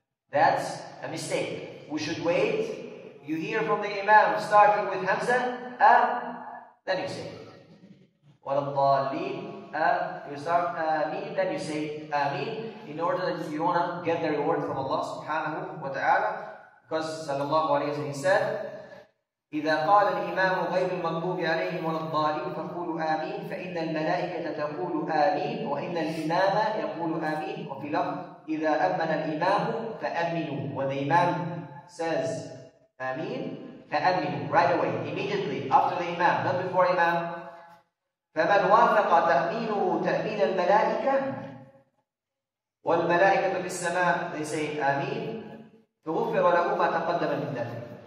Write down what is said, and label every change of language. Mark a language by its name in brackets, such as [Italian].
[English] That's a mistake. We should wait. You hear from the imam starting with hamza, then you say walabbalin. You start ameen, then you say ameen, in order that you want to get the reward from Allah subhanahu wa ta'ala. [Arabic] Because sallallahu alayhi wa sallam said, إِذَا قَالَ الْإِمَامُ غَيْرُ الْمَغْضُوبِ عَلَيْهِمْ وَلَا الضَّالِينَ فَقُولُوا آمِينَ فَإِنَّ الْمَلَائِكَةَ تَقُولُ آمِينَ وَإِنَّ الْإِمَامَ يَقُولُ آمِينَ وَفِي لَفْظٍ إِذَا أَمَّنَ الْإِمَامُ فَأَمِّنُوا. [English] When the imam says [Arabic] آمِينَ فَأَمِّنُوا, [English] right away, immediately after the imam, not before imam. [Arabic] فَمَنْ وَافَقَ تَأْمِينُهُ تَأْمِينَ الْمَلَائِكَةِ وَالْمَلَائِكَةُ فِي السَّمَاءِ, [English] they say [Arabic] آمِينَ فَغُفِرَ لَهُ مَا تَقَدَّمَ مِنْ ذَنْبِهِ.